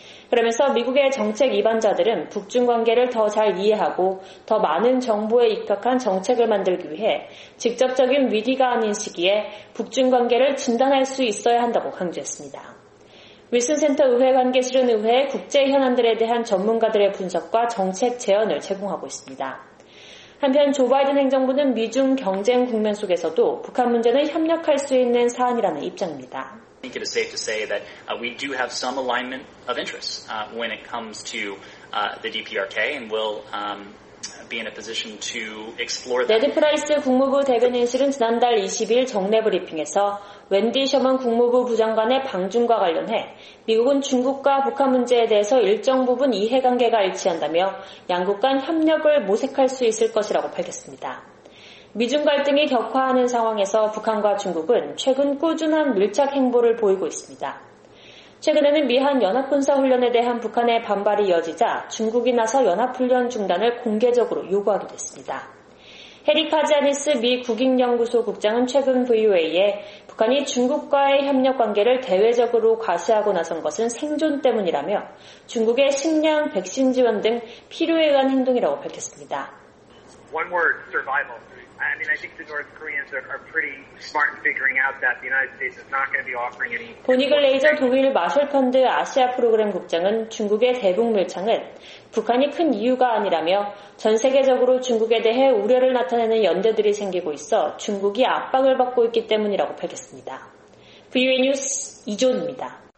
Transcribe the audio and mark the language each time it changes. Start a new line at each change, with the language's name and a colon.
Korean: 그러면서 미국의 정책 이반자들은 북중 관계를 더 잘 이해하고 더 많은 정보에 입각한 정책을 만들기 위해 직접적인 위기가 아닌 시기에 북중 관계를 진단할 수 있어야 한다고 강조했습니다. 윌슨 센터 의회 관계실은 의회의 국제 현안들에 대한 전문가들의 분석과 정책 제언을 제공하고 있습니다. 한편 조 바이든 행정부는 미중 경쟁 국면 속에서도 북한 문제는 협력할 수 있는 사안이라는 입장입니다.
English: I think it is safe to say that we do have some alignment of interests when it comes to the DPRK and we'll be in a position to explore that.
Korean: 네드 프라이스 국무부 대변인실은 지난달 20일 정례 브리핑에서 웬디 셔먼 국무부 부장관의 방중과 관련해 미국은 중국과 북한 문제에 대해서 일정 부분 이해관계가 일치한다며 양국 간 협력을 모색할 수 있을 것이라고 밝혔습니다. 미중 갈등이 격화하는 상황에서 북한과 중국은 최근 꾸준한 밀착 행보를 보이고 있습니다. 최근에는 미한 연합군사훈련에 대한 북한의 반발이 이어지자 중국이 나서 연합훈련 중단을 공개적으로 요구하게 됐습니다. 해리 카지아니스 미 국익연구소 국장은 최근 VOA에 북한이 중국과의 협력관계를 대외적으로 과시하고 나선 것은 생존 때문이라며 중국의 식량, 백신 지원 등 필요에 의한 행동이라고 밝혔습니다.
English: One word, survival. I mean, I think the North Koreans are pretty smart in figuring out that the United States is not going to be offering any.
Korean: 보니글 레이저 독일 마셜 펀드 아시아 프로그램 국장은 중국의 대북 밀창은 북한이 큰 이유가 아니라며 전 세계적으로 중국에 대해 우려를 나타내는 연대들이 생기고 있어 중국이 압박을 받고 있기 때문이라고 밝혔습니다. VOA 뉴스 이준입니다.